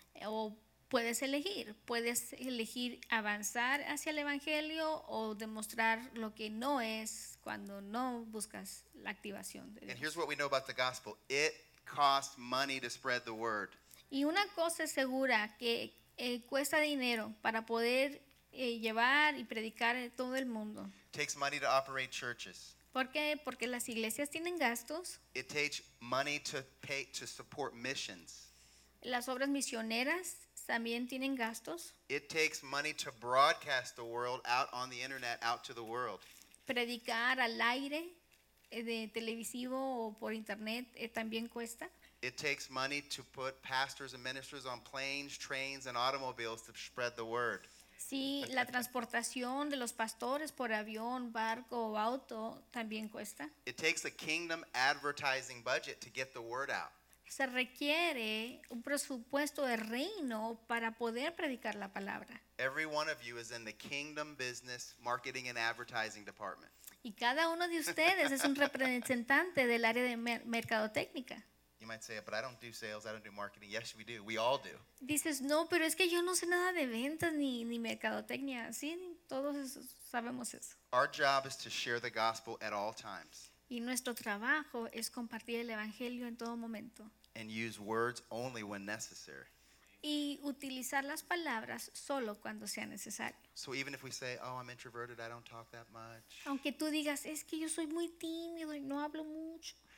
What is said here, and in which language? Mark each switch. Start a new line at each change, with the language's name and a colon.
Spanish: O puedes elegir. Puedes elegir avanzar hacia el evangelio o demostrar lo que no es cuando no buscas la activación de Dios.
English: And here's what we know about the gospel. It costs money to spread the word.
Spanish: Y una cosa es segura, que cuesta dinero para poder llevar y predicar en todo el mundo.
English: Takes money to operate churches.
Spanish: ¿Por qué? Porque las iglesias tienen gastos.
English: It takes money to pay to support missions.
Spanish: Las obras misioneras también tienen gastos.
English: It takes money to broadcast the world out on the internet, out to the world.
Spanish: Predicar al aire de televisivo o por internet también cuesta.
English: It takes money to put pastors and ministers on planes, trains, and automobiles to spread the word.
Spanish: Sí, la transportación de los pastores por avión, barco o auto también cuesta.
English: It takes a kingdom advertising budget to get the word out.
Spanish: Se requiere un presupuesto de reino para poder predicar la palabra.
English: Every one of you is in the kingdom business, marketing, and advertising department.
Spanish: Y cada uno de ustedes es un representante del área de mercadotecnia.
English: You might say, but I don't do sales, I don't do marketing. Yes, we do. We all do.
Spanish: Dices, no, pero es que yo no sé nada de ventas ni mercadotecnia. Sí, todos sabemos eso.
English: Our job is to share the gospel at all times.
Spanish: Y nuestro trabajo es compartir el evangelio en todo momento.
English: And use words only when necessary.
Spanish: Y utilizar las palabras solo cuando sea necesario.
English: So even if we say, oh, I'm introverted, I don't talk that much.
Spanish: Aunque tú digas, es que yo soy muy tímido y no hablo mucho.